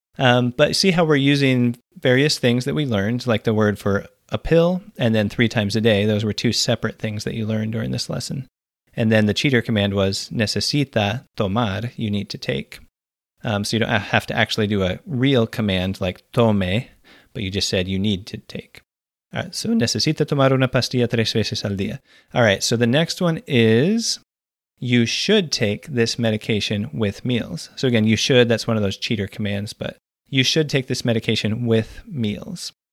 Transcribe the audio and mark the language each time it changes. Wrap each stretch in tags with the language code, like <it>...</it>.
<en>But see how we're using various things that we learned, like the word for a pill, and then 3 times a day. Those were 2 separate things that you learned during this lesson. And then the cheater command was</en> <es>necesita tomar,</es> <en>you need to take. So you don't have to actually do a real command like tome, but you just said you need to take. All right, so</en> <es>necesita tomar una pastilla 3 veces al día.</es> <en>All right, so the next one is you should take this medication with meals. So again, you should, that's one of those cheater commands, but you should take this medication with meals.</en>